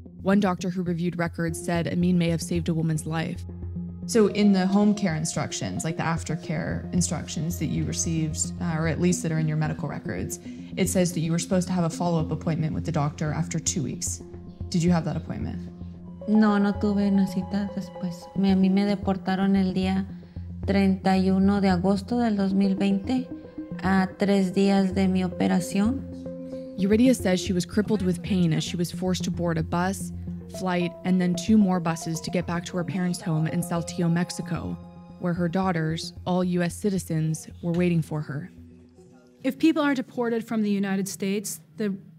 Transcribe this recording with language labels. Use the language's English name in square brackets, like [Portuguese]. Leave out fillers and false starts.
[English] One doctor who reviewed records said Amin may have saved a woman's life. So in the home care instructions, like the aftercare instructions that you received, or at least that are in your medical records, it says that you were supposed to have a follow-up appointment with the doctor after 2 weeks. Did you have that appointment? [Spanish] No, no tuve una cita después. A mí me deportaron el día 31 de agosto del 2020, a 3 días de mi operación. [English] Yuridia says she was crippled with pain as she was forced to board a bus, flight, and then 2 more buses to get back to her parents' home in Saltillo, Mexico, where her daughters, all U.S. citizens, were waiting for her. If people are deported from the United States, the